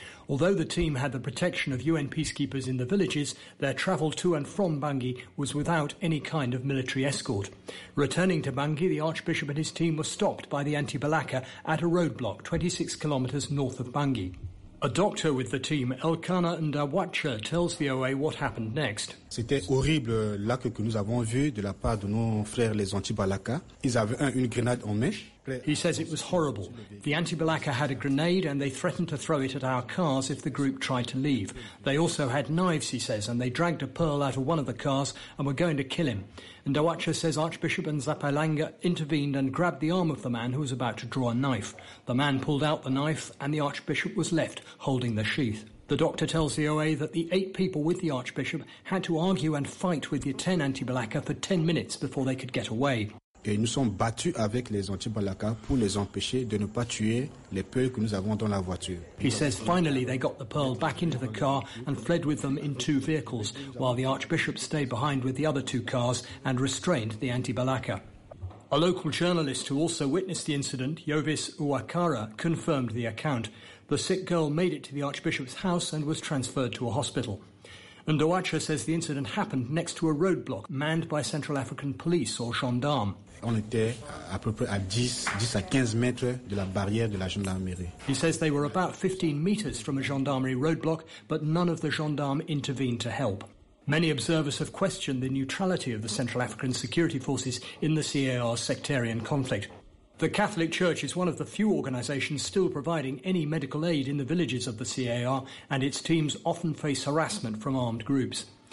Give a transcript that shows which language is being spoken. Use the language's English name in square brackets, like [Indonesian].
[English] Although the team had the protection of UN peacekeepers in the villages, their travel to and from Bangui was without any kind of military escort. Returning to Bangui, the Archbishop and his team were stopped by the anti-Balaka at a roadblock 26 kilometres north of Bangui. A doctor with the team, Elkanah Ndawacha, tells VOA what happened next. [French] C'était horrible l'acte que nous avons vu de la part de nos frères les anti-Balaka. Ils avaient une grenade en main. [English] He says it was horrible. The anti-Balaka had a grenade and they threatened to throw it at our cars if the group tried to leave. They also had knives, he says, and they dragged a Pearl out of one of the cars and were going to kill him. And Ndawacha says Archbishop Nzapalainga intervened and grabbed the arm of the man who was about to draw a knife. The man pulled out the knife and the Archbishop was left holding the sheath. The doctor tells VOA that the 8 people with the Archbishop had to argue and fight with the 10 anti-Balaka for 10 minutes before they could get away. [French] Et nous sommes battus avec les anti-Balaka pour les empêcher de ne pas tuer les Pearls que nous avons dans la voiture. [English] He says finally they got the Pearl back into the car and fled with them in 2 vehicles, while the Archbishop stayed behind with the other 2 cars and restrained the anti-Balaka. A local journalist who also witnessed the incident, Yovis Uwakara, confirmed the account. The sick girl made it to the Archbishop's house and was transferred to a hospital. Ndowacha says the incident happened next to a roadblock manned by Central African police or gendarmes. [French] On était à peu près à 10 à 15 mètres de la barrière de la gendarmerie. [English] He says they were about 15 meters from a gendarmerie roadblock, but none of the gendarmes intervened to help. Many observers have questioned the neutrality of the Central African security forces in the CAR's sectarian conflict. The Catholic Church is one of the few organizations still providing any medical aid in the villages of the CAR, and its teams often face harassment from armed groups.